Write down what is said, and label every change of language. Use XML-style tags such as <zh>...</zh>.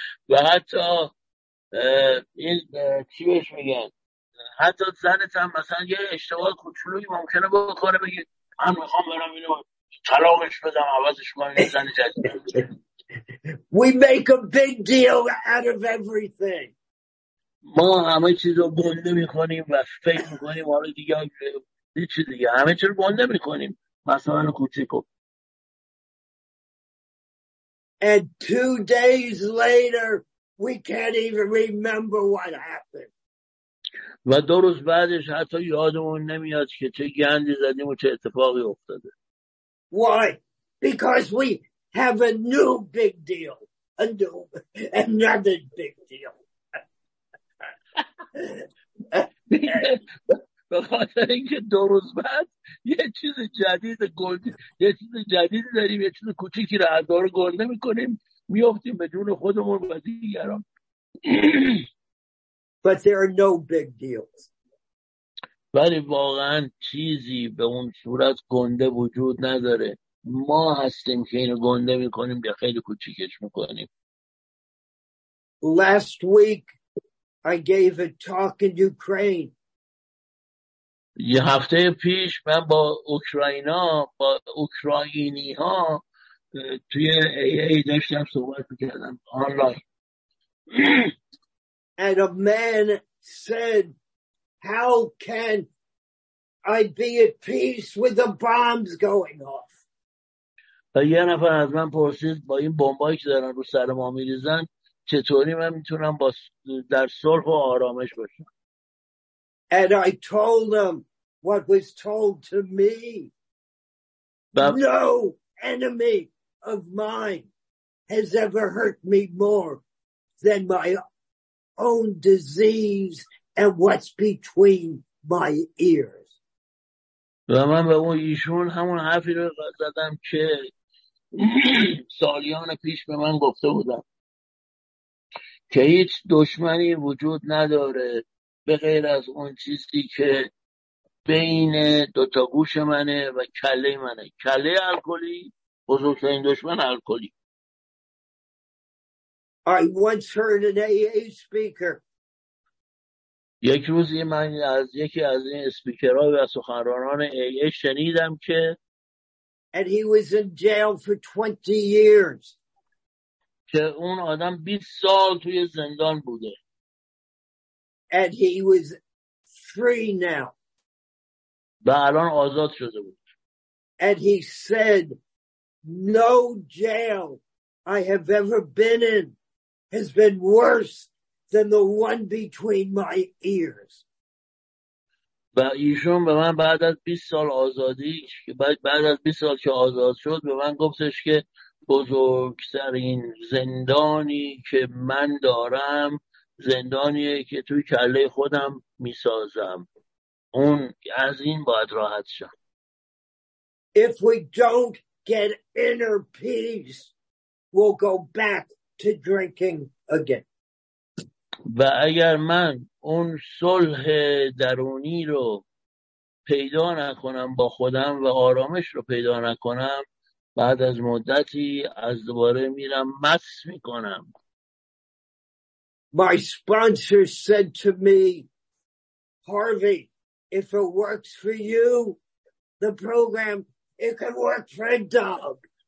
<fa>و حتی این چی بهش میگن، حتی زنت هم مثلا یه اشتباه کوچولویی ممکنه بخوره بگه من میخوام برم اینو طلاقش بدم عوضش من یه زن جدید.</fa> <en>We make a big deal out of everything.</en> <fa>ما همه چیز رو گنده میکنیم و فکر میکنیم حالا دیگه چی، دیگه همه چیز رو گنده میکنیم مثلا کوچیکو.</fa> <en>And 2 days later, we can't even remember what happened.</en> <fa>و دو روز بعدش حتی یادمون نمیاد که چه گندی زدیم و چه اتفاقی افتاده.</fa> <en>Why? Because we have a new big deal. A new, another big deal.</en> <fa>به خاطر اینکه دو روز بعد یه چیز جدید گنده، یه چیز جدید داریم، یه چیز کوچیکی رو از دار گنده میکنیم، میافتیم به جون خودمون و دیگران.</fa> <en>But there are no big deals.</en> <fa>ولی واقعا چیزی به اون صورت گنده وجود نداره. ما هستیم که اینو گنده میکنیم یا خیلی کوچیکش میکنیم.</fa> <en>Last week I gave a talk in Ukraine.</en> <fa>یه هفته پیش من با اوکراینا، با اوکراینی ها توی AA داشتم صحبت میکردم آنلاین.</fa> <en>And a man said, how can I be at peace with the bombs going off?</en> <fa>و یه نفر از من پرسید با این بمبایی که دارن رو سر ما میریزن چطوری من میتونم با در صلح و آرامش باشم.</fa> <en>And I told him what was told to me. No enemy of mine has ever hurt me more than my own disease and what's between my ears.</en> <fa>و من به اون ایشون همون حرفی رو زدم که سالیان پیش به من گفته بودم که هیچ دشمنی وجود نداره به غیر از اون چیزی که بین دوتا گوش منه و کله منه. کله الکلی بزرگترین دشمن الکلی.</fa> <en>I once heard an AA speaker.</en> <fa>یک روزی من از یکی از این اسپیکرها و سخنرانان AA شنیدم که</fa> <en>And he was in jail for 20 years.</en> <fa>که اون آدم 20 سال توی زندان بوده.</fa> <en>And he was free now.</en> <fa>و الان آزاد شده بود.</fa> <en>And he said, no jail I have ever been in has been worse than the one between my ears.</en> <fa>و ایشون به من بعد از 20 سال آزادی، بعد از 20 سال که آزاد شد به من گفتش که بزرگترین زندانی که من دارم زندانیه که توی کله خودم میسازم. اون از این باید راحت شد.</fa> <en>If we don't get inner peace, we'll go back to drinking again.</en> <fa>و اگر من اون صلح درونی رو پیدا نکنم با خودم و آرامش رو پیدا نکنم، بعد از مدتی از دوباره میرم مست میکنم.</fa> <en>My sponsor said to me, Harvey, if it works for you, the program, it can work for a dog.</en>